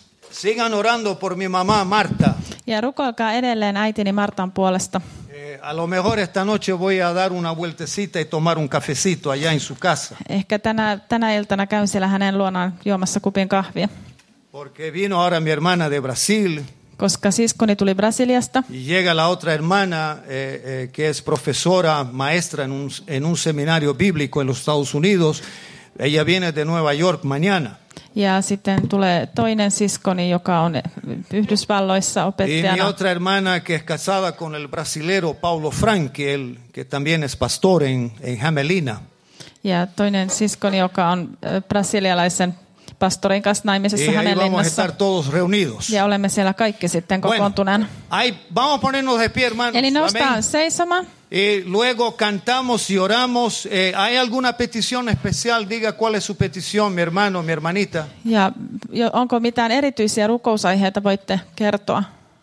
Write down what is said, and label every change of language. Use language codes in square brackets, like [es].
[es] Sigan orando por mi mamá Marta. [fi] Ja rukoilkaa edelleen äitini Martan puolesta. [es] A lo mejor esta noche voy a dar una vueltecita y tomar un cafecito allá en su casa. [fi] Ehkä tänä iltana käyn siellä hänen luonaan juomassa kupin kahvia. [es] Porque vino ahora mi hermana de Brasil. [fi] Koska siskoni tuli Brasiliasta. [es] Y llega la otra hermana que es profesora, maestra en un seminario bíblico en los Estados Unidos. Ella viene de Nueva York mañana. [fi] Ja sitten tulee toinen siskoni, joka on Yhdysvalloissa opettajana. [es] Y mi otra hermana que es casada con el brasilero Paulo Franchi, que también es pastor en Jamelina. [fi] Ja toinen siskoni, joka on brasilialaisen pastorin kanssa naimisessa Jamelinassa. [es] Y vamos a estar todos reunidos. [fi] Ja olemme siellä kaikki sitten kokoontuneen. [es] Vamos a ponernos de pie, hermanos. [fi] Eli noustaan seisomaan. [es] Y luego cantamos y oramos. ¿Hay alguna petición especial? Diga cuál es su petición, mi hermano, mi hermanita. [fi] Ja onko mitään erityisiä rukousaiheita voitte kertoa?